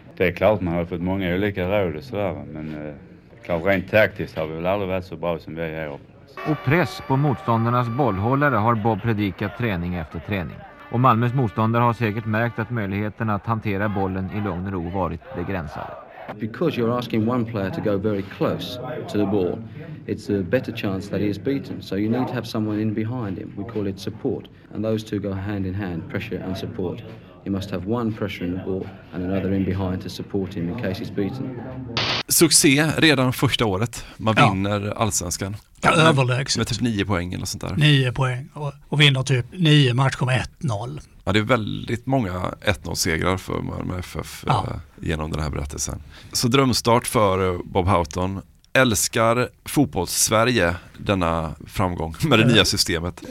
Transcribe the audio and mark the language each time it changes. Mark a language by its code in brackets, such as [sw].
[sv] Det är klart man har fått många olika råd och sådär, men klart, rent taktiskt har vi väl aldrig varit så bra som vi är. Och press på motståndarnas bollhållare har Bob predikat träning efter träning. Och Malmös motståndare har säkert märkt att möjligheten att hantera bollen i lugn och ro varit begränsad. [en] Because you're asking one player to go very close to the ball, it's a better chance that he is beaten. So you need to have someone in behind him. We call it support. And those two go hand in hand, pressure and support. You must have one pressure in the ball and another in behind to support him in case he's beaten. [sv] Succé redan första året. Man vinner allsvenskan. Ja, överlägset. Med typ 9 poäng eller sånt där. 9 poäng och vinner typ 9 matcher med 1-0. Ja, det är väldigt många 1-0-segrar för Malmö FF genom den här berättelsen. Så drömstart för Bob Houghton. Älskar fotbollssverige denna framgång med det nya systemet?